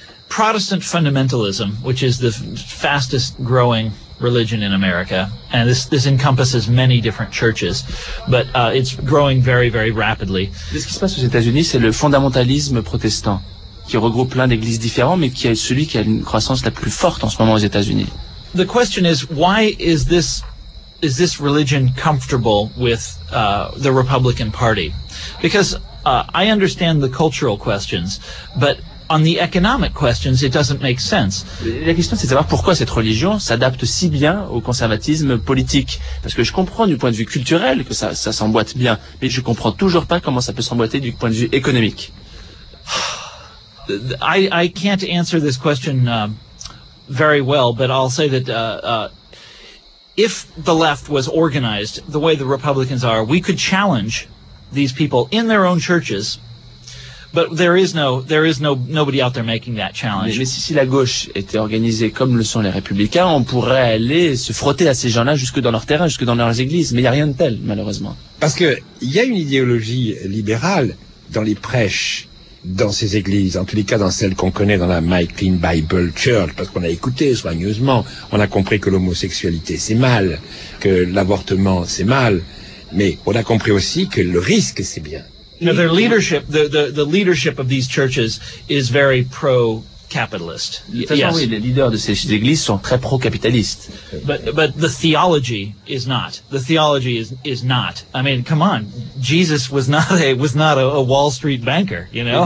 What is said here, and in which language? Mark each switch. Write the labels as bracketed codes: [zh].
[en] Protestant fundamentalism, which is the fastest growing religion in America, and this encompasses many different churches, but it's growing very, very rapidly. [fr] Ce qui se passe aux États-Unis, c'est le fondamentalisme protestant, qui regroupe plein d'églises différentes, mais qui est celui qui a une croissance la plus forte en ce moment aux États-Unis. [en] The question is, why is this religion comfortable with the Republican Party? Because I understand the cultural questions, but on the economic questions, it doesn't make sense. [fr] La question, c'est de savoir pourquoi cette religion s'adapte si bien au conservatisme politique. Parce que je comprends du point de vue culturel que ça s'emboîte bien, mais je comprends toujours pas comment ça peut s'emboîter du point de vue économique. [en] I can't answer this question very well, but I'll say that if the left was organized the way the Republicans are, we could challenge these people in their own churches. But there is nobody out there making that challenge. [fr] Mais si la gauche était organisée comme le sont les républicains, on pourrait aller se frotter à ces gens-là jusque dans leur terrain, jusque dans leurs églises. Mais il n'y a rien de tel, malheureusement. Parce que il y a une idéologie libérale dans les prêches, dans ces églises, en tous les cas dans celles qu'on connaît dans la My Clean Bible Church, parce qu'on a écouté soigneusement, on a compris que l'homosexualité c'est mal, que l'avortement c'est mal, mais on a compris aussi que le risque c'est bien. [en] Now their leadership, the leadership of these churches is very pro-capitalist. Yes. [fr] Oui, les leaders de ces églises sont très pro-capitalistes. [en] But the theology is not. The theology is not. I mean, come on, Jesus was not a Wall Street banker, you know?